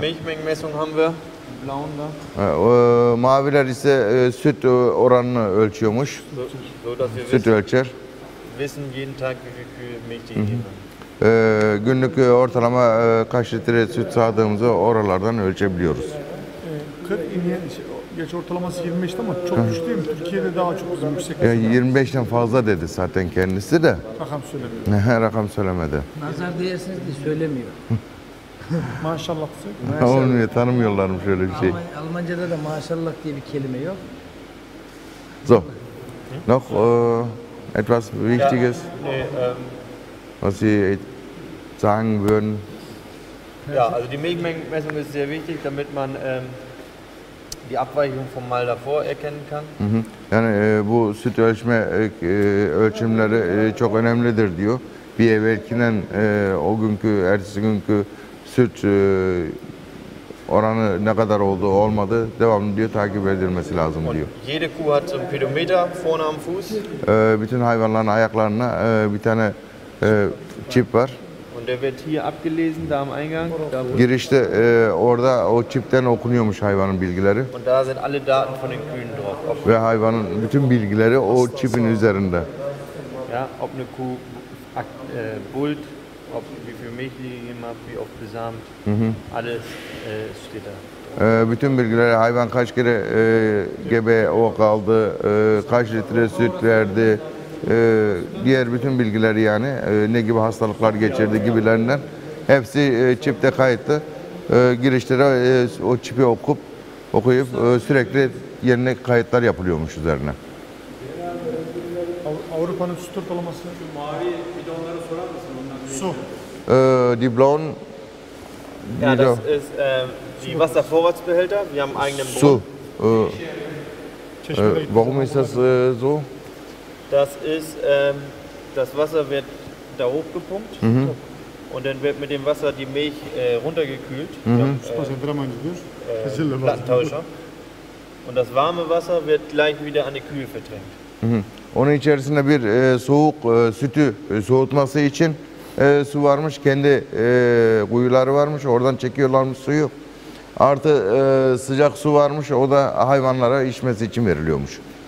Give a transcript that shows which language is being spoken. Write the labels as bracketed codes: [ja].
[de] Milchmengenmessung haben wir blauen da. [tr] Maviler ise süt oranını ölçüyormuş. Süt ölçer. [de] Wissen jeden Tag wie viel Milch die [tr] günlük ortalama kaç litre süt sağdığımızı oralardan ölçebiliyoruz. 40 geç ortalaması 25'ti ama çok düştü değil mi? Türkiye'de daha çok bizim yüksek. Yani 25'ten fazla dedi zaten kendisi de. Rakam söylemiyor. Rakam söylemedi. Nazar değersiniz de söylemiyor. Maşallah. Olmuyor, tanımıyorlar mı şöyle bir şey? Almanca'da da maşallah diye bir kelime yok. [de] So. Noch etwas Wichtiges. Was Sie sagen würden? Ja, also die Milchmengenmessung ist sehr wichtig, damit man die Abweichung vom Mal davor erkennen kann. Mhm. [tr] Yani bu süt ölçme ölçümleri çok önemlidir diyor. Bir evvelkinden o günkü, ertesi günkü süt oranı ne kadar oldu, olmadı, devamlı diyor takip edilmesi lazım diyor. [de] Und jede Kuh hat einen Pedometer vorne am Fuß. [tr] Bütün hayvanların ayaklarına bir tane çip var. [de] Und der wird hier abgelesen, da am Eingang. [tr] Girişte orada o çipten okunuyormuş hayvanın bilgileri. [de] Und da sind alle Daten von den Kühen drauf. [tr] Ve hayvanın bütün bilgileri o çipin üzerinde. [de] Ja, ob eine Kuh bullt, ob wie viel Milch die gegeben hat, wie oft besamt, alles steht da. [tr] Bütün bilgileri, hayvan kaç kere gebe ok aldı, kaç litre süt verdi, diğer bütün bilgileri yani ne gibi hastalıklar geçirdi gibilerinden hepsi çipte kayıtlı. Girişlere o çipi okuyup sürekli yerine kayıtlar yapılıyormuş üzerine. Avrupa'nın süt ortalaması şu mavi bidonlara sorar mısın onlar? Su. [de] Die blauen. Ja, das ist die Wasservorratsbehälter. Wir haben einen eigenen [tr] Su. [de] Warum ist das so? Das ist, das Wasser wird da hochgepumpt und dann wird mit dem Wasser die Milch runtergekühlt. Plattentauscher. Und das warme Wasser wird gleich wieder an die Kühe verdrängt. [tr] Onun içerisinde bir soğuk sütü soğutması için su varmış. Kendi kuyuları varmış. Oradan çekiyorlarmış suyu. Artı sıcak su varmış. O da hayvanlara içmesi için veriliyormuş.